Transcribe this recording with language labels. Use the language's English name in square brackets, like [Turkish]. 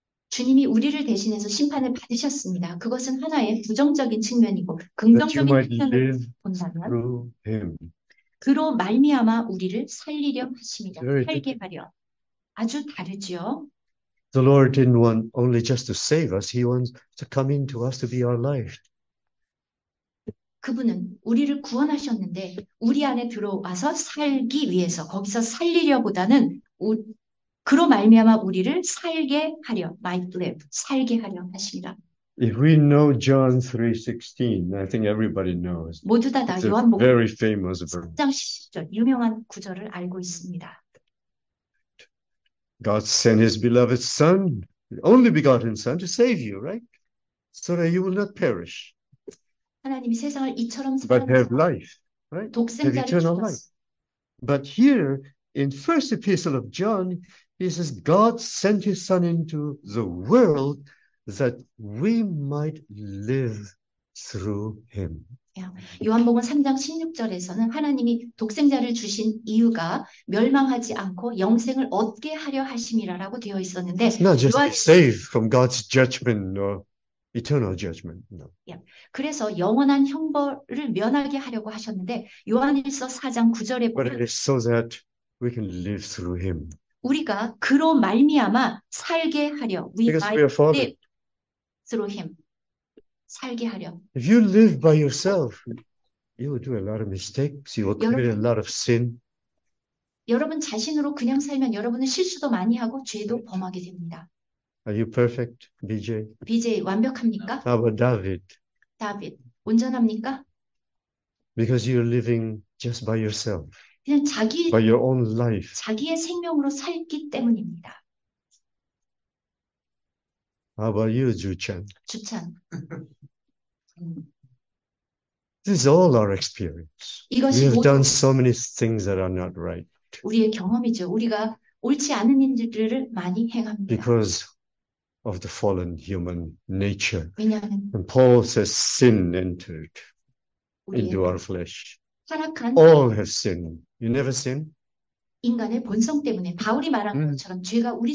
[Korean] 주님이 우리를 대신해서 심판을 받으셨습니다. 그것은 하나의 부정적인 측면이고 [English] That you [Korean] 긍정적인 [English] might [Korean] 측면을 [English] live [Korean] 본다면 [English] through Him. [Korean] 그로 말미암아 우리를 살리려 하심이라. [English] Very [Korean] 살게 [English] different. [Korean] 하려. 아주 다르지요. [English] The Lord didn't want only just to save us, He wants to come into us to be our life. [Korean] 그분은 우리를 구원하셨는데 우리 안에 들어와서 살기 위해서 거기서 살리려보다는 그로 말미암아 우리를 살게 하려 [English] My life [Korean] 살게 하려 하십니다. [English] If we know John 3:16, I think everybody knows. [Korean] 모두 다다 [English] It's a [Korean] 요한복음 [English] very famous verse. [Korean] 3장 10절 유명한 구절을 알고 있습니다. [English] God sent his beloved Son, only begotten Son, to save you, right? So that you will not perish, [Korean] 하나님이 세상을 이처럼 [English] but [Korean] 사랑하사 [English] have life, right? Have [Korean] 독생자를 [English] eternal life. [Korean] 주셨으니 [English] But here, in first epistle of John, he says, God sent his Son into the world that we might live through him. [Korean] 요한복음 3장 16절에서는 하나님이 독생자를 주신 이유가 멸망하지 않고 영생을 얻게 하려 하심이라라고 되어 [English] It's [Korean] 있었는데 [English] not just to [Korean] 요한 [English] save from God's judgment or eternal judgment, no. [Korean] 그래서 영원한 형벌을 면하게 하려고 하셨는데 요한일서 4장 9절에 [English] But it [Korean] 보면 [English] is so that we can live through Him. [Korean] 우리가 그로 말미암아 살게 하려 We [English] Because we might are fallen. live through him [Korean] 살게 하려 [English] If you live by yourself, You do a lot of mistakes. You accumulate a [Korean] 여러분, [English] lot of sin. [Korean] 여러분 자신으로 그냥 살면 여러분은 실수도 많이 하고 죄도 범하게 됩니다. [English] Are you perfect, BJ? [Korean] BJ, 완벽합니까? [English] How about David? [Korean] 다윗, 온전합니까? [English] Because you're living just by yourself, [Korean] 그냥 [English] by your own life. [Korean] 자기의 생명으로 살기 때문입니다. [English] How about you, Juchan? [Korean] 주찬. [English] This is all our experience. We [Korean] 이것이 [English] have done [Korean] 모두 [English] so many things that are not right. [Korean] 우리의 경험이죠. 우리가 옳지 않은 일들을 많이 행합니다. [English] Because of the fallen human nature. [Korean] 왜냐하면 [English] And Paul says sin entered [Korean] 우리의 [English] into our flesh. [Korean] 타락한 [English] All have sinned. You never sin? [Korean] 인간의 본성 때문에 바울이 말한 것처럼 죄가 우리